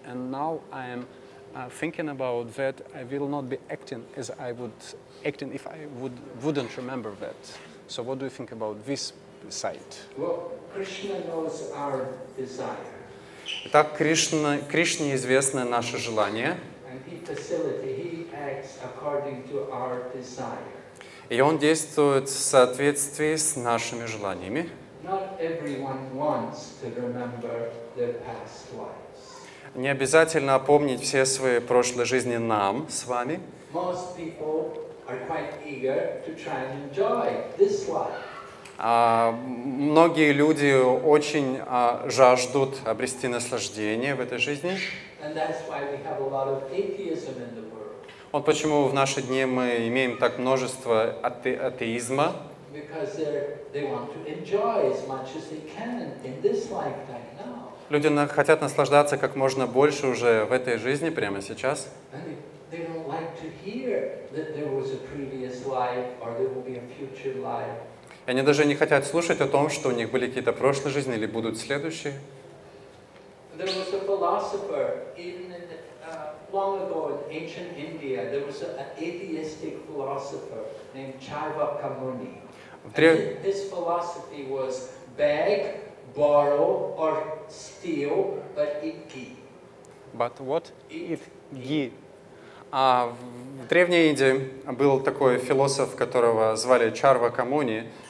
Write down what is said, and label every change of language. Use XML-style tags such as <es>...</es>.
<en>And now I am thinking about that. I will not be acting as I would acting if I wouldn't remember that. So, what do you think about this sight? Well, Krishna knows our desire.</en> <ru>Итак, Кришне известно наше желание.</ru> <en>And he facilitates. He acts according to our desire.</en> <ru>И он действует в соответствии с нашими желаниями.</ru> <en>Not everyone wants to remember their past lives.</en> <ru>Не обязательно помнить все свои прошлые жизни нам с вами.</ru> <en>Most people are quite eager to try and enjoy this life.</en> <ru>Многие люди очень жаждут обрести наслаждение в этой жизни.</ru> <en>And that's why we have a lot of atheism in the world.</en> <ru>Вот почему в наши дни мы имеем так множество атеизма.</ru> <en>Because they want to enjoy as much as they can in this lifetime now.</en> <ru>Люди хотят наслаждаться как можно больше уже в этой жизни, прямо сейчас.</ru> <en>They don't like to hear that there was a previous life or there will be a future life.</en> <ru>И они даже не хотят слушать о том, что у них были какие-то прошлые жизни или будут следующие.</ru> <en>There was a philosopher even in long ago in ancient India. There was an atheistic philosopher named Chaivakamuni. His philosophy was beg, borrow or steal, but eat ghee. But what? Eat ghee.</en> <ru>В древней Индии был такой философ, которого звали Чарвакамуни.</ru>